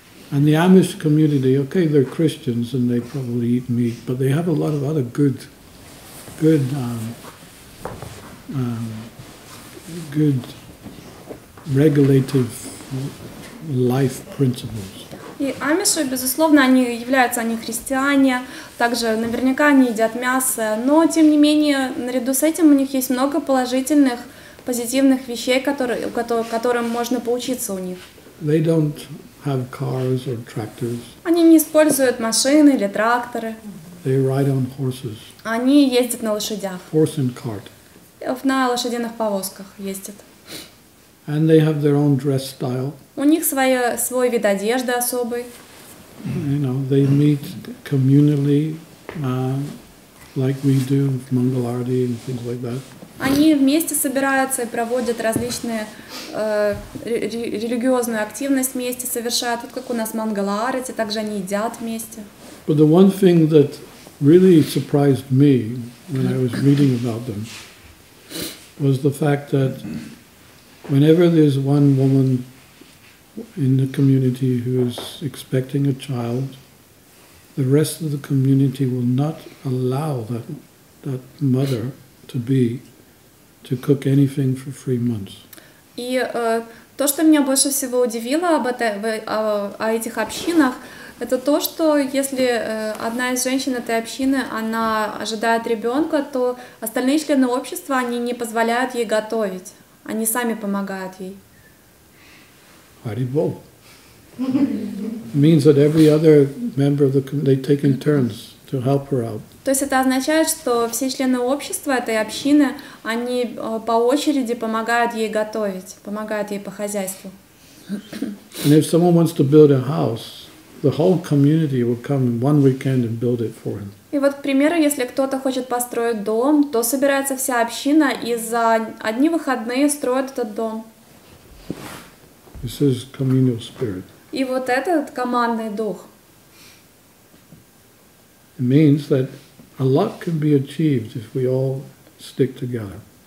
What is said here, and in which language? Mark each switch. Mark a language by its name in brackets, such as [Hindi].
[English] And the Amish community, okay, they're Christians and they probably eat meat, but they have a lot of other good regulative life principles. [Russian] И амиши, безусловно, они являются они христиане, также наверняка они едят мясо, но тем не менее, наряду с этим у них есть много положительных, позитивных вещей, которым можно поучиться у них. [English] They don't have cars or tractors. [Russian] Они не используют машины или тракторы. [English] They ride on horses. [Russian] Они ездят на лошадях. [English] Horse and cart. [Russian] На лошадиных повозках ездят. [English] And they have their own dress style. [Russian] У них свой вид одежды особый. [English] You know, they meet communally, like we do in Mangalarti and things like that. [Russian] Они вместе собираются и проводят различные религиозную активность вместе совершают, вот как у нас Мангаларати, также они едят вместе. [English] But the one thing that really surprised me when I was reading about them was the fact that whenever there's one woman in the community who is expecting a child, the rest of the community will not allow that mother to be to cook anything for 3 months. [Russian] И то, что меня больше всего удивило о этих общинах, это то, что если одна из женщин этой общины, она ожидает ребенка, то остальные члены общества, они не позволяют ей готовить. Они сами помогают ей. Харибол. [English] Means that every other member of the community, they've taken turns to help her out. [Russian] То есть это означает, что все члены общества этой общины, они по очереди помогают ей готовить, помогают ей по хозяйству. [English] And if someone wants to build a house, the whole community will come one weekend and build it for him. [Russian] И вот, к примеру, если кто-то хочет построить дом, то собирается вся община и за одни выходные строит этот дом. [English] This is communal spirit. [Russian] И вот этот командный дух. [English] It means that a lot can be achieved if we all stick together.